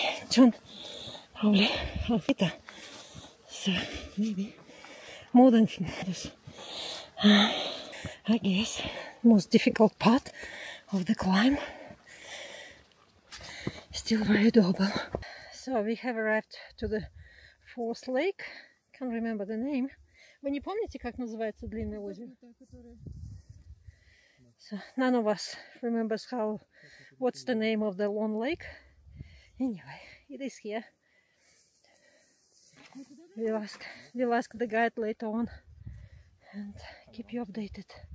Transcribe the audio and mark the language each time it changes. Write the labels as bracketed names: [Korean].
[English] John, probably half it. So maybe more than 4 kilometers. I guess most difficult part of the climb. Still very doable. So we have arrived to the fourth lake. Can't remember the name. [Russian] Вы не помните, как называется длинное озеро? [English] So none of us remembers how, what's the name of the long lake. Anyway, it is here. We'll ask the guide later on and keep you updated.